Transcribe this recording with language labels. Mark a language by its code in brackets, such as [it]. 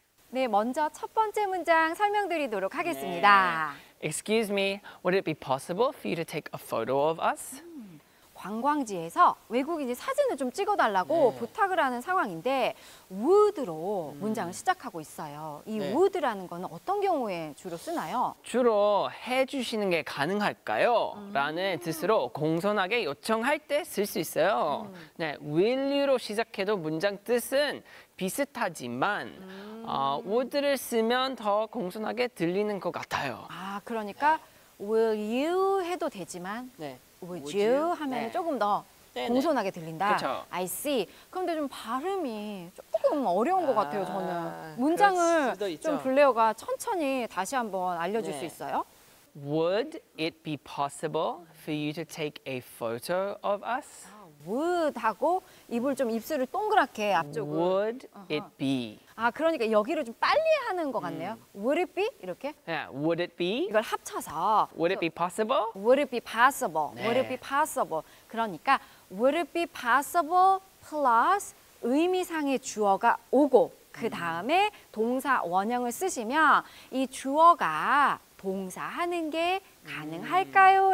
[ko] 네, 먼저 첫 번째 문장 설명드리도록 하겠습니다. 네. [en] Excuse me, would it be possible for you to take a photo of us? [ko] 관광지에서 외국인이 사진을 좀 찍어달라고 네. 부탁을 하는 상황인데 would로 문장을 시작하고 있어요. 이 네. would라는 건 어떤 경우에 주로 쓰나요? 주로 해주시는 게 가능할까요? 라는 뜻으로 공손하게 요청할 때 쓸 수 있어요. 네, will you로 시작해도 문장 뜻은 비슷하지만 would를 쓰면 더 공손하게 들리는 것 같아요. 아, 그러니까 will you 해도 되지만 네. [en] Would you? [ko] 하면 네. 조금 더 네네. 공손하게 들린다. 그쵸. [en] I see. [ko] 그런데 좀 발음이 조금 어려운 것 같아요, 저는. 문장을 좀 블레어가 천천히 다시 한번 알려줄 네. 수 있어요? [en] Would it be possible for you to take a photo of us? [ko] Would 하고 입을 좀 입술을 동그랗게 앞쪽으로. [en] Would it be? [ko] 아, 그러니까 여기를 좀 빨리 하는 것 같네요. [en] Would it be? 이렇게? Yeah, would it be? [ko] 이걸 합쳐서. [en] Would it be possible? Would it be possible? [ko] 네. Would it be possible? 그러니까 [en] would it be possible plus [ko] 의미상의 주어가 오고 그 다음에 동사 원형을 쓰시면 이 주어가 동사하는 게 가능할까요?